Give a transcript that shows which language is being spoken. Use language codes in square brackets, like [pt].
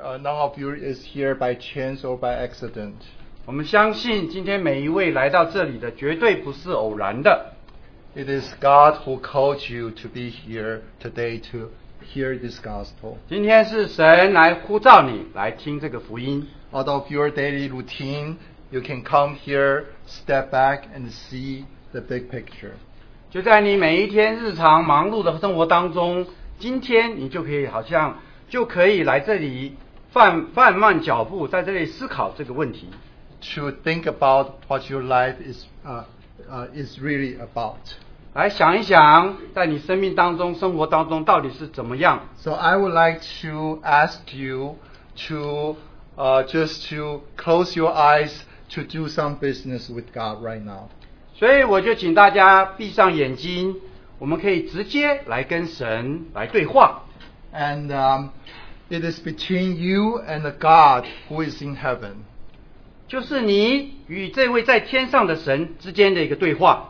[en] None of you is here by chance or by accident. [zh] 我们相信今天每一位来到这里的绝对不是偶然的。 [en] It is God who called you to be here today to hear this gospel. [zh] 今天是神来呼召你来听这个福音。 [en] Out of your daily routine, you can come here, step back, and see the big picture. [zh] 就在你每一天日常忙碌的生活当中。今天你就可以好像就可以来这里放慢脚步，在这里思考这个问题。 [en] To think about what your life is really about. [zh] 来想一想，在你生命当中、生活当中到底是怎么样。 [en] So I would like to ask you to just to close your eyes to do some business with God right now. [zh] 所以我就请大家闭上眼睛。我们可以直接来跟神来对话。 [en] And it is between you and the God who is in heaven. [zh] 就是你与这位在天上的神之间的一个对话。